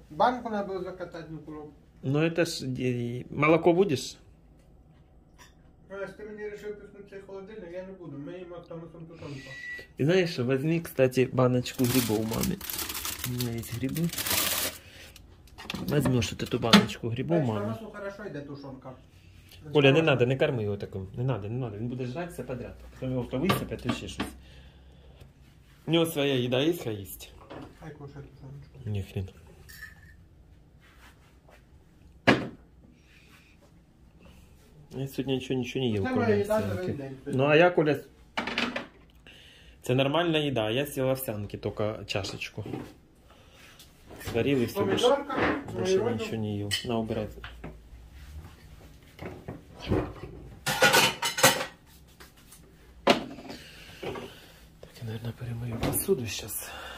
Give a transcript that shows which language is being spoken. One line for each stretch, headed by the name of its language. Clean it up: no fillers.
Ukrainian: Банку треба було закатати на коробку. Ну, це ж... Молоко будеш? Ну, якщо ти мені вирішив пихнути цей холодильник, я не буду. Ми їмо автоматом тушенку. І знаєш, візьми, кстати,
Russian: баночку грибов,
Ukrainian: мамі.
Russian: У меня есть грибы. Возьмешь вот эту баночку грибов, мама. Сейчас у нас хорошо идет тушенка. Оля, не надо, не корми его таким. Не надо, не надо. Он будет жрать все подряд. Потом его высыпят и еще что-то. У него своя еда есть, а есть. Хай кушает тушеночку. Ни хрен. Я сегодня ничего не ел, Коля.
Ukrainian: Ну а я, Коля, це нормальна їда.
Russian: Я съел овсянки, только чашечку. Сварили все больше. Больше ничего не ел. На, убирайте. Так, я, наверное, перемою посуду сейчас.